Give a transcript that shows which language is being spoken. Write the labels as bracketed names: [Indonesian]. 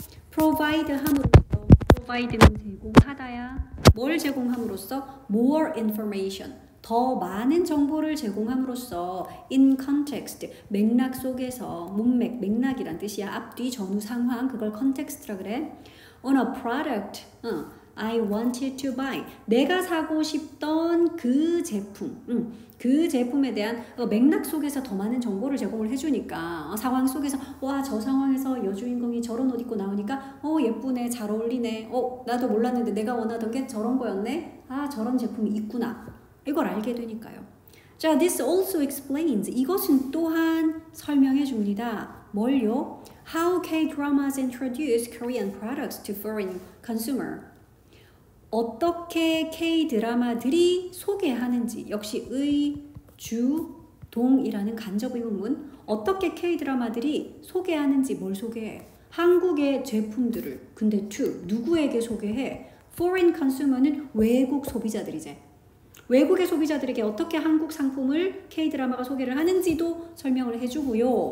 [Korean] Provide 함으로써. Provide는 제공하다야. 뭘 제공함으로써? [English] More information. [Korean] 더 많은 정보를 제공함으로써 [English] in context, [Korean] 맥락 속에서 문맥, 맥락이란 뜻이야. 앞뒤, 전후, 상황, 그걸 context라 그래. [English] On a product, I wanted to buy. [Korean] 내가 사고 싶던 그 제품, 그 제품에 대한 맥락 속에서 더 많은 정보를 제공을 해주니까 상황 속에서 와, 저 상황에서 여주인공이 저런 옷 입고 나오니까 예쁘네, 잘 어울리네. 나도 몰랐는데 내가 원하던 게 저런 거였네. 아, 저런 제품이 있구나. 이걸 알게 되니까요. 자, [English] this also explains. [Korean] 이것은 또한 설명해 줍니다. 뭘요? [English] How K-dramas introduce Korean products to foreign consumer. [Korean] 어떻게 K-드라마들이 소개하는지. 역시 의, 주, 동이라는 간접 의문문. 어떻게 K-드라마들이 소개하는지. 뭘 소개해? 한국의 제품들을. 근데 to 누구에게 소개해? [English] Foreign consumer [Korean] 는 외국 소비자들이지. 외국의 소비자들에게 어떻게 한국 상품을 K-드라마가 소개를 하는지도 설명을 해주고요.